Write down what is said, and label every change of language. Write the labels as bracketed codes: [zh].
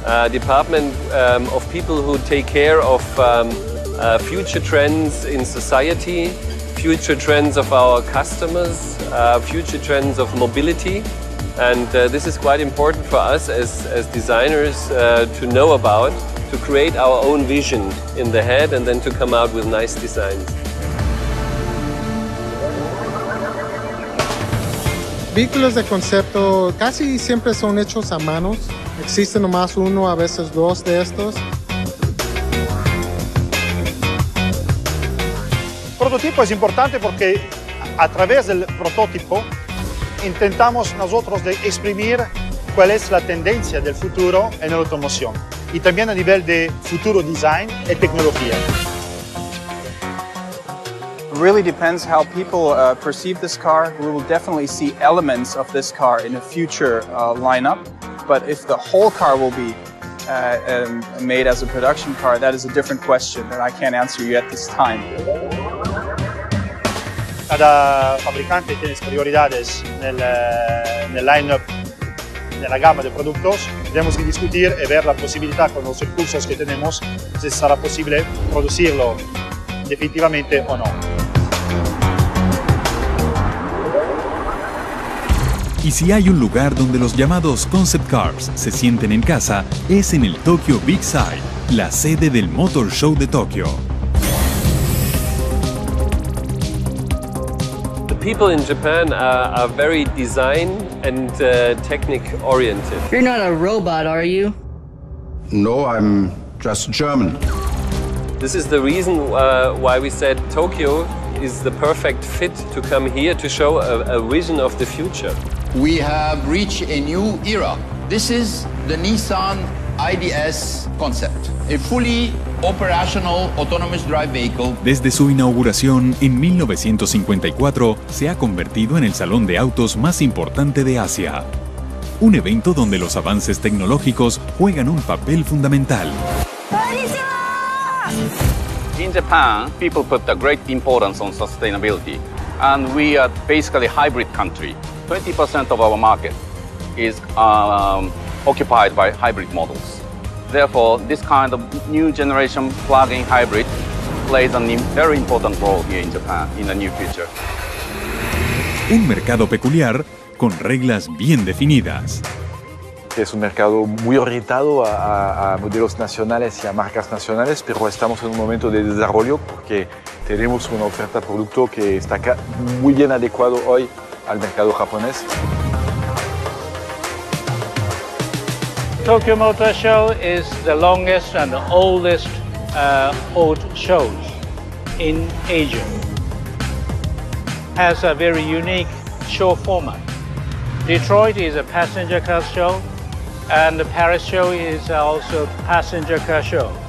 [en] Department of people who take care of future trends in society, future trends of our customers, future trends of mobility. And this is quite important for us as designers to know about, to create our own vision in the head and then to come out with nice designs. [es] Vehículos de concepto casi siempre son hechos a manos. Existe nomás uno, a veces dos de estos. El prototipo es importante porque a través del prototipo intentamos nosotros de exprimir cuál es la tendencia del futuro en la automoción y también a nivel de futuro design y tecnología. [en] It really depends how people perceive this car. We will definitely see elements of this car in a future lineup, but if the whole car will be made as a production car, that is a different question that I can't answer you at this time. [es] Cada fabricante tiene sus prioridades [it] nel lineup, nella gamma dei prodotti. [es] Tenemos que discutir y ver la posibilidad con los recursos que tenemos si será posible producirlo definitivamente o no. Y si hay un lugar donde los llamados concept cars se sienten en casa, es en el Tokyo Big Sight, la sede del Motor Show de Tokyo. [en] The people in Japan are very design and technic oriented. You're not a robot, are you? No, I'm just German. This is the reason why we said Tokyo is the perfect fit to come here to show a vision of the future. We have reached a new era. This is the Nissan IDS concept, a fully operational autonomous drive vehicle. [es] Desde su inauguración en 1954, se ha convertido en el salón de autos más importante de Asia. Un evento donde los avances tecnológicos juegan un papel fundamental. [en] In Japan, people put a great importance on sustainability, and we are basically a hybrid country. 20% of our market is occupied by hybrid models. Therefore, this kind of new generation plug-in hybrid plays a very important role here in Japan in the near future. [es] Un mercado peculiar con reglas bien definidas. Es un mercado muy orientado a modelos nacionales y a marcas nacionales, pero estamos en un momento de desarrollo porque tenemos una oferta producto que está muy bien adecuado hoy al mercado japonés. [en] Tokyo Motor Show is the longest and the oldest old shows in Asia. Has a very unique show format. Detroit is a passenger car show, and the Paris show is also a passenger car show.